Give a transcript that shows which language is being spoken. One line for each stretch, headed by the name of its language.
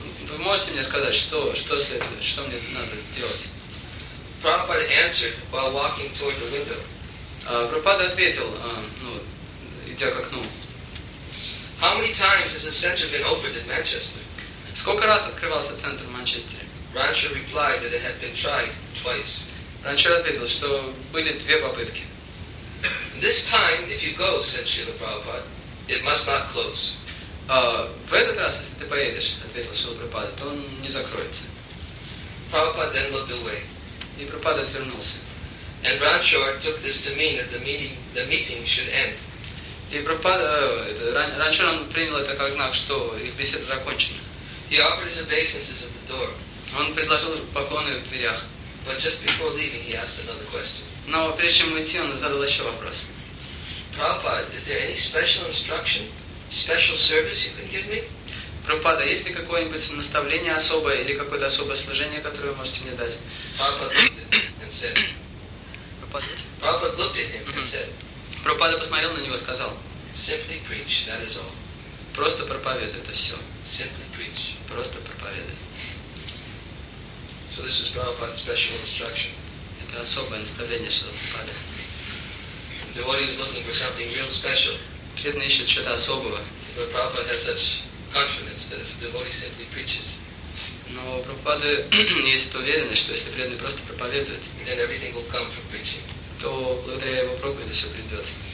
Russian: Вы можете мне сказать, что следует, что мне надо делать?
English: Prabhupada answered while walking toward the window.
Russian: Прабхупада ответил, ну, идя к окну.
English: How many times has the center been opened in Manchester?
Russian: Сколько раз открывался центр в Манчестере?
English: Ranchar replied that it had been tried twice.
Russian: Ranchar ответил, что были две попытки.
English: This time, if you go, said Srila Prabhupada, it must not close.
Russian: В этот раз, если ты поедешь, ответил Шрила Прабхупада, то он не закроется.
English: Prabhupada then looked away.
Russian: И Прабхупада отвернулся.
English: And Ranchar took this to mean that the meeting should end.
Russian: И Ранчар принял это как знак, что их беседа закончена.
English: He offered his obeisances at the door.
Russian: Он предложил поклоны в дверях.
English: But just before leaving, he asked another question.
Russian: Но прежде чем уйти, он задал еще вопрос.
English: Prabhupada, is there any special instruction, special service you can give me?
Russian: Прабхупада, есть ли какое-нибудь наставление особое или какое-то особое служение, которое вы можете мне дать?
English: Prabhupada looked at it and said. Prabhupada looked at him and said.
Russian: Прабхупада посмотрел на него и сказал.
English: Simply preach, that is all.
Russian: Просто проповедуй, это все.
English: Simply preach.
Russian: Просто проповедуй.
English: So this was Prabhupada's special instruction.
Russian: Это особое наставление, что Прабхупада.
English: The devotee is looking for something real special.
Russian: Преданный ищет что-то особого.
English: But Prabhupada has such confidence that if the devotee simply preaches.
Russian: Но у Прабхупады есть эта уверенность, что если преданный просто проповедует,
English: then everything will come from preaching.
Russian: То благодаря его проповеди все придет.